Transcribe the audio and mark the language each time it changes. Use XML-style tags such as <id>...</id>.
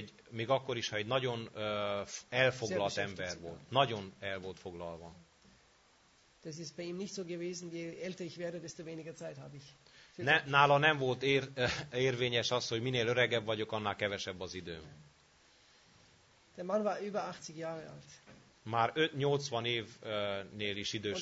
<hu>Még akkor is, ha egy nagyon elfoglalt ember volt. Nagyon el volt foglalva.</hu> <de>Das ist bei ihm nicht so gewesen, je älter ich werde, desto weniger Zeit habe ich.</de> <hu>Nála nem volt érvényes az, hogy minél öregebb vagyok, annál kevesebb az időm.</hu> <de>Der Mann war über 80 Jahre alt.</de> <hu>Már 80 évnél is idősebb volt.</hu>